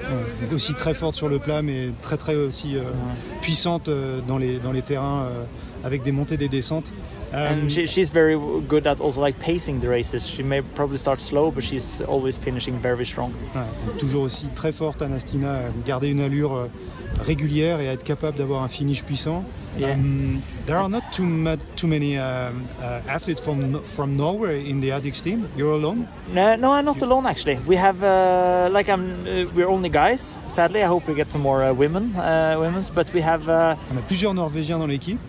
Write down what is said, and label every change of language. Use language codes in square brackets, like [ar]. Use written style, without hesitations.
[fr] Ouais, aussi très forte sur le plat, mais très très aussi ouais. Puissante dans les terrains avec des montées des descentes. [en] And she's very good at also like pacing the races. She may probably start slow, but she's always finishing very strong. Ouais, toujours aussi très forte, Anastina, garder une allure régulière et être capable d'avoir un finish puissant. Yeah. There are not too many athletes from Norway in the ASICS team. You're alone? No, I'm not alone actually. We have we're only guys. Sadly, I hope we get some more women's. But we have. [fr] On a plusieurs Norvégiens dans l'équipe.